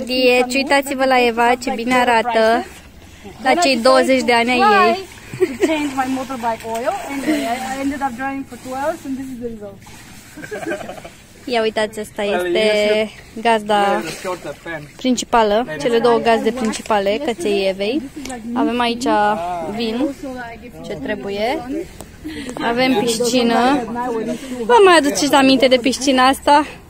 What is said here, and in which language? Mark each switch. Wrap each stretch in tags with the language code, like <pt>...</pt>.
<ro>Dieci, uitați-vă la Eva ce bine arată la cei 20 de ani ai ei.</ro> <en>Changed my motorbike oil and I ended up driving for 2 hours and this is the result.</en> <ro>Ia uitați, asta este gazda principală, cele două gazde principale, căței Evei. Avem aici vin, ce trebuie. Avem piscină. Vă mai aduceți aminte de piscina asta?</ro>